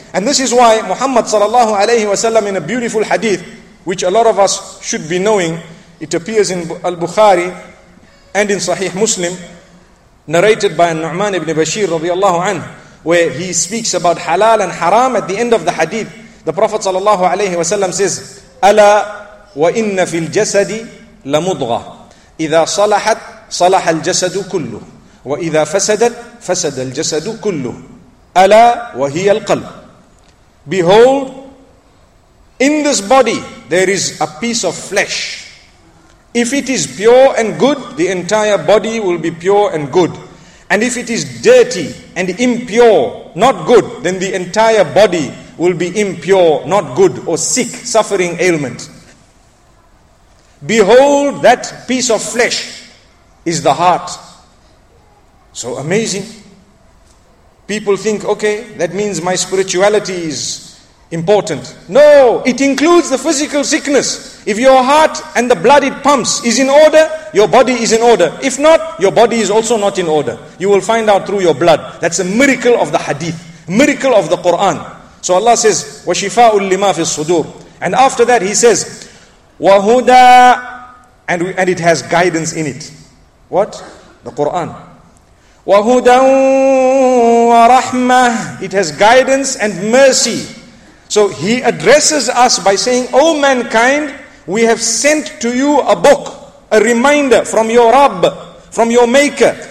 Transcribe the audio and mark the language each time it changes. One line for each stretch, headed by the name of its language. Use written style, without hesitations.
English: And this is why Muhammad sallallahu alayhi wa sallam, in a beautiful hadith, which a lot of us should be knowing, it appears in Al-Bukhari and in Sahih Muslim, narrated by Nu'man ibn Bashir radiyallahu anhu, where he speaks about halal and haram. At the end of the hadith, the Prophet sallallahu alayhi wa sallam says,
Arabic: أَلَا وَإِنَّ فِي الْجَسَدِ لَمُضْغَى إِذَا صَلَحَتْ صَلَحَ الْجَسَدُ كُلُّهُ وَإِذَا فَسَدَتْ فَسَدَ الْجَسَدُ كُلُّهُ أَلَا وَهِيَ الْقَلْبِ.
English: Behold, in this body there is a piece of flesh. If it is pure and good, the entire body will be pure and good. And if it is dirty and impure, not good, then the entire body will be impure, not good, or sick, suffering ailment. Behold, that piece of flesh is the heart. So amazing. People think, okay, that means my spirituality is important. No, it includes the physical sickness. If your heart and the blood it pumps is in order, your body is in order. If not, your body is also not in order. You will find out through your blood. That's a miracle of the hadith, miracle of the Quran. So Allah says,
Arabic: وَشِفَاءٌ لِمَا فِي الصُّدُورِ.
English: And after that He says,
Arabic: وَهُدَى,
English: and it has guidance in it. What? The Quran.
Arabic: وَهُدًى وَرَحْمَةٌ.
English: It has guidance and mercy. So He addresses us by saying, O mankind, we have sent to you a book, a reminder from your Rabb, from your Maker.